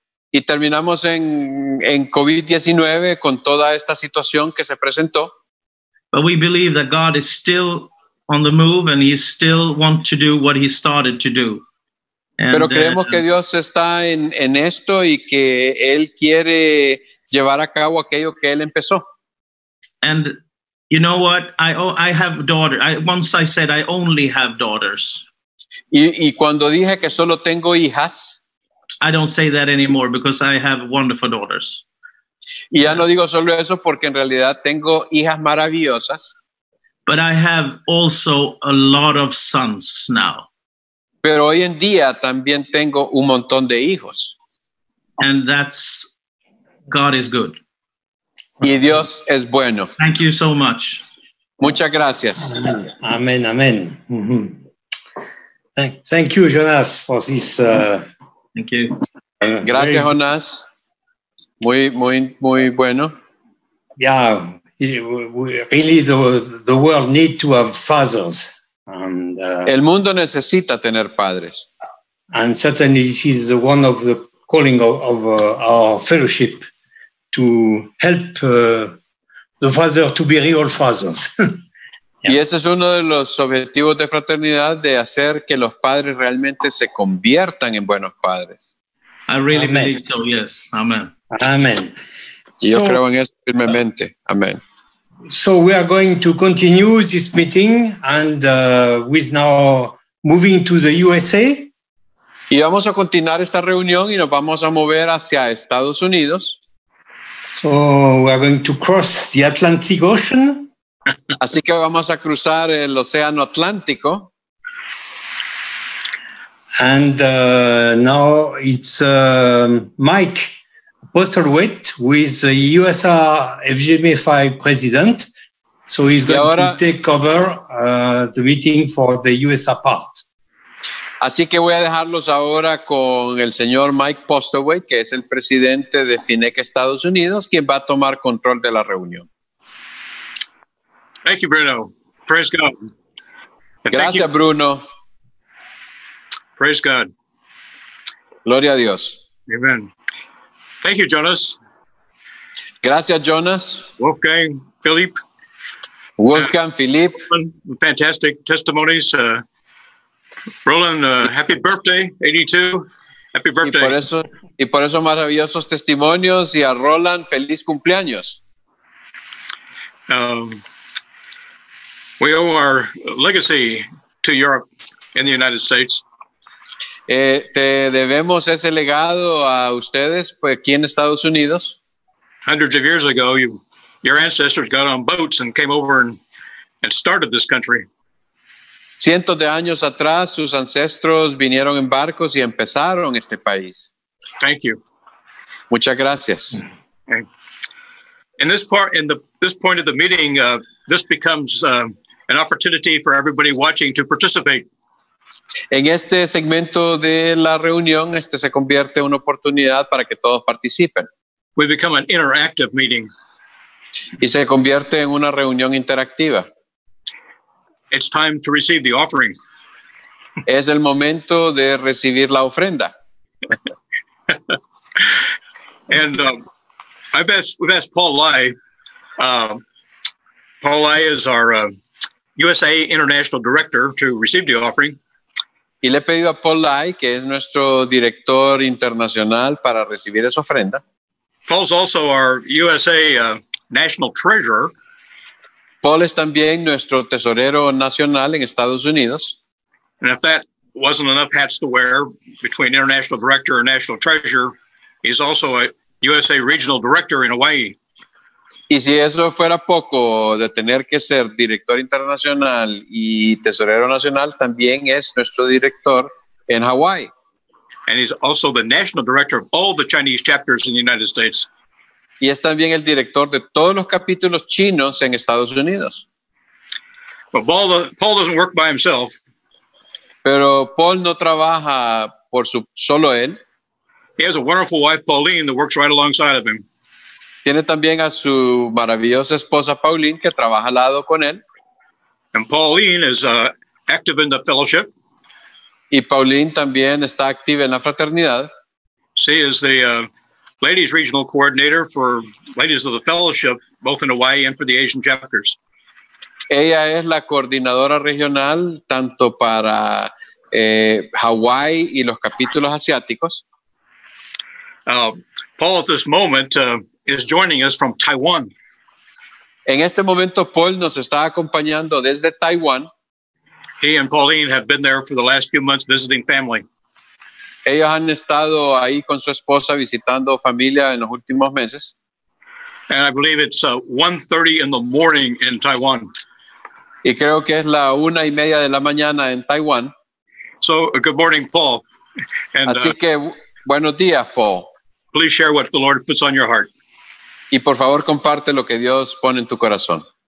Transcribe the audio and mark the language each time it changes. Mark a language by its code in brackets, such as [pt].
[es] y terminamos en COVID-19 con toda esta situación que se presentó. [en] But we believe that God is still on the move and he still wants to do what he started to do. [es] And, pero creemos que Dios está en esto y que él quiere llevar a cabo aquello que él empezó. [en] And you know what? I have daughters. Once I said I only have daughters. [es] Y cuando dije que solo tengo hijas. [en] I don't say that anymore because I have wonderful daughters. [es] Y ya no digo solo eso porque en realidad tengo hijas maravillosas. [en] But I have also a lot of sons now. [es] Pero hoy en día también tengo un montón de hijos. [en] And that's, God is good. [es] Y Dios es bueno. [en] Thank you so much. [es] Muchas gracias. [en] Amen, amen. Thank you, Jonas, for this. Thank you. [es] Gracias, Jonas. Muy bueno. [en] Yeah, really the world need to have fathers. And, [es] el mundo necesita tener padres. [en] And certainly this is one of the calling of our fellowship to help the father to be real fathers. [es] Y ese es uno de los objetivos de fraternidad, de hacer que los padres realmente se conviertan en buenos padres. [en] I really amen. Believe so, yes. Amen. Amen. [es] Yo so, creo en eso firmemente. Amen. [en] So we are going to continue this meeting and we're now moving to the USA. [es] Y vamos a continuar esta reunión y nos vamos a mover hacia Estados Unidos. [en] So we are going to cross the Atlantic Ocean. [es] Así que vamos a cruzar el Océano Atlántico. [en] And now it's Mike Postlewait with the USA FGMFI president. So he's going [es] ahora, [en] to take over the meeting for the USA part. [es] Así que voy a dejarlos ahora con el señor Mike Postlewait, que es el presidente de FINEC Estados Unidos, quien va a tomar control de la reunión. [en] Thank you, Bruno. Praise God. [es] Gracias, Bruno. [en] Praise God. [es] Gloria a Dios. [en] Amen. Thank you, Jonas. [es] Gracias, Jonas. [en] Wolfgang, Philippe. [es] Wolfgang, Philippe. [en] Fantastic testimonies. Roland, happy birthday, 82. Happy birthday. [es] Y por eso maravillosos testimonios. Y a Roland, feliz cumpleaños. [en] We owe our legacy to Europe and the United States. [es] Te debemos ese legado a ustedes, pues aquí en Estados Unidos. [en] Hundreds of years ago, your ancestors got on boats and came over and started this country. [es] Cientos de años atrás, sus ancestros vinieron en barcos y empezaron este país. [en] Thank you. [es] Muchas gracias. [en] Okay. In this point of the meeting, this becomes an opportunity for everybody watching to participate. [es] En este segmento de la reunión, este se convierte en una oportunidad para que todos participen. [en] We become an interactive meeting. [es] Y se convierte en una reunión interactiva. [en] It's time to receive the offering. [es] Es el momento de recibir la ofrenda. [en] And we've asked Paul Lai. Paul Lai is our USA International Director to receive the offering. [es] Y le he pedido a Paul Lai, que es nuestro director internacional, para recibir esa ofrenda. [en] Paul's also our USA National Treasurer. [es] Paul es también nuestro tesorero nacional en Estados Unidos. [en] And if that wasn't enough hats to wear between International Director and National Treasurer, he's also a USA Regional Director in Hawaii. [es] Y si eso fuera poco, de tener que ser director internacional y tesorero nacional, también es nuestro director en Hawaii. [en] And he's also the national director of all the Chinese chapters in the United States. [es] Y es también el director de todos los capítulos chinos en Estados Unidos. [en] But Paul doesn't work by himself. [es] Pero Paul no trabaja por su solo él. [en] He has a wonderful wife, Pauline, that works right alongside of him. [es] Tiene también a su maravillosa esposa, Pauline, que trabaja al lado con él. [en] And Pauline is active in the fellowship. [es] Y Pauline también está activa en la fraternidad. [en] She is the ladies regional coordinator for ladies of the fellowship, both in Hawaii and for the Asian chapters. [es] Ella es la coordinadora regional tanto para Hawaii y los capítulos asiáticos. [en] Paul at this moment is joining us from Taiwan. [es] En este momento Paul nos está acompañando desde Taiwan. [en] He and Pauline have been there for the last few months visiting family. [es] Ellos han estado ahí con su esposa visitando familia en los últimos meses. [en] And I believe it's 1:30 in the morning in Taiwan. [es] Y creo que es la una y media de la mañana en Taiwan. [en] So, good morning, Paul. [es] And, así que, buenos días, Paul. [en] Please share what the Lord puts on your heart. [es] Y por favor, comparte lo que Dios pone en tu corazón.